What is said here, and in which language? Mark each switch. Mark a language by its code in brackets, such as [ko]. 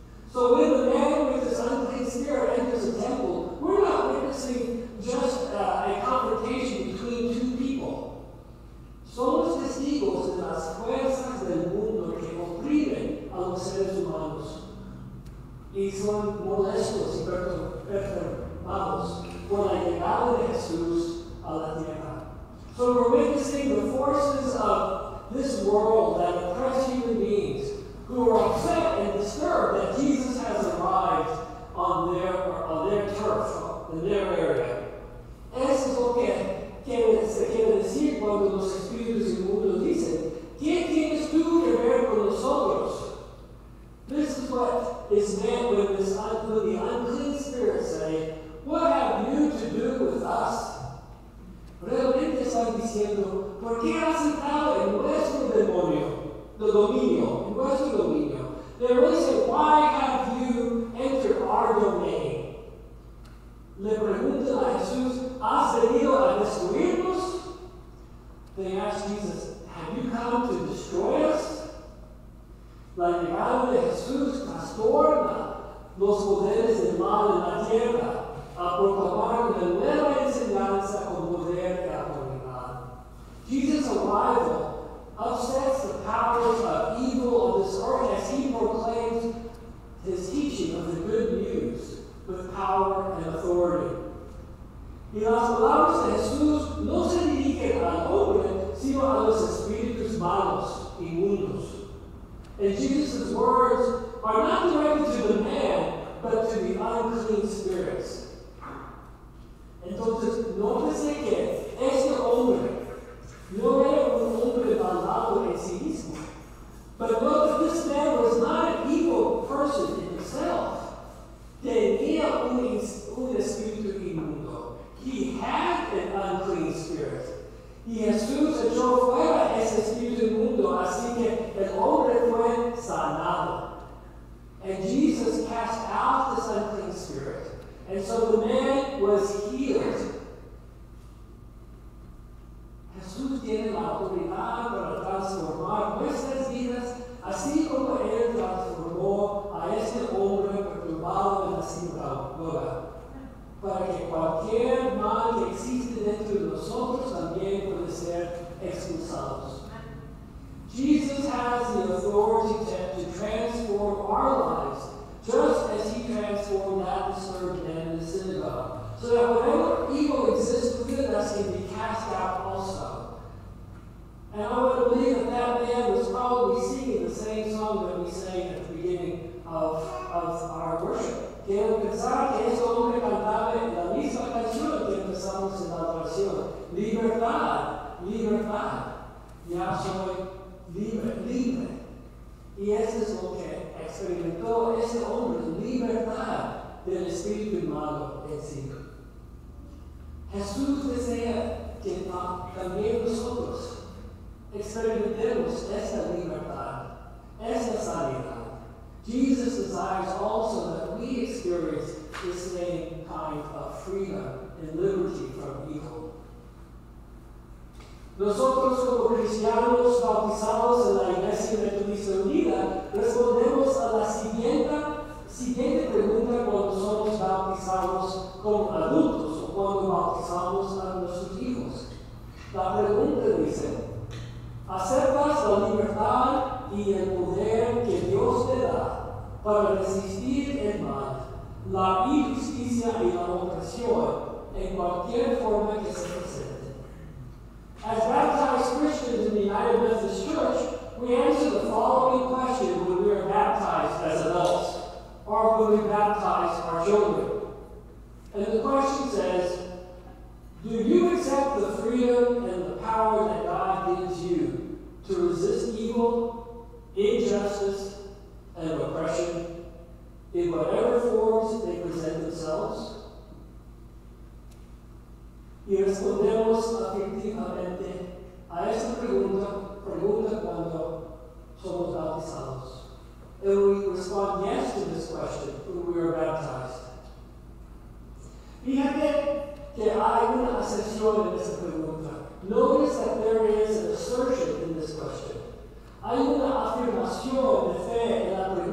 [en] So when the man with his unclean spirit enters the temple, we're not witnessing just a confrontation between two people. [es] Somos testigos de las fuerzas del mundo que oprimen a los seres humanos y son molestos y perturbados por la llegada de Jesús a la tierra. [en] So we're witnessing the forces of this world that oppress human beings who are upset and disturbed that Jesus has arrived on their turf, in their area. [es] Eso es lo que quiere decir cuando los espíritus del mundo dicen, ¿qué tienes tú que ver con nosotros? [en] This is what is meant when the unclean spirits say, what have you to do with us? [es] Realmente están diciendo, ¿por qué has entrado en nuestro demonio, the dominio, en nuestro dominio? [en] They really say, why have you entered our domain? [es] Le preguntan a Jesús, ¿has venido a destruirnos? [en] They ask Jesus, have you come to destroy us? [es] La llegada de Jesús trastorna los poderes del mal en la tierra a proclamar una nueva enseñanza con poder de autoridad. [en] Jesus' arrival upsets the powers of evil of this earth as he proclaims his teaching of the good news with power and authority. [es] Y las palabras de Jesús no se dirigen al hombre, sino a los espíritus malos y mundos. [en] And Jesus' words are not directed to the man, but to the unclean spirits. [es] Entonces, nótese que este hombre no era un hombre malvado en sí mismo. [en] But note that this man was not an evil person in himself. [es] Tenía un espíritu inmundo. [en] He had an unclean spirit. [es] Y Jesús echó fuera ese espíritu inmundo, así que el hombre fue sanado. [en] And Jesus cast out this unclean spirit. And so the man was healed. [es] Jesús tiene la autoridad para transformar nuestras vidas, así como él transformó a ese hombre perturbado en la sinagoga, para que cualquier mal que existe dentro de nosotros también puede ser expulsado. [en] Jesus has the authority to transform our lives, just as he transformed that disturbed man in the synagogue, so that whatever evil exists within us can be cast out also. And I would believe that that man was probably singing the same song that we sang at the beginning of our worship. [es] Quiero pensar que ese hombre cantaba la misma canción que empezamos en la adoración. Libertad, libertad. Ya soy libre, libre. Y eso es lo que experimentó ese hombre, libertad del espíritu malo en sí. Jesús desea que también nosotros experimentemos esa libertad, esa sanidad. [en] Jesus desires also that we experience the same kind of freedom and liberty from evil. [es] Nosotros como cristianos bautizados en la Iglesia Metodista Unida respondemos a la siguiente pregunta cuando somos bautizados como adultos o cuando bautizamos a nuestros hijos. La pregunta dice, ¿aceptas la libertad y el poder que Dios te da para resistir el mal, la injusticia y la opresión en cualquier forma que se presente? [en] As baptized Christians in the United Methodist Church, we answer the following question when we are baptized as adults, or when we baptize our children. And the question says, do you accept the freedom and the power that God gives you to resist evil, injustice, and oppression in whatever forms they present themselves? [es] Y respondemos afirmativamente a esta pregunta cuando somos bautizados. [en] And we respond yes to this question when we are baptized. [es] Fíjate que hay una asserción en esta pregunta. [en] Notice that there is an assertion in this question. [es] Hay una afirmación de fe en la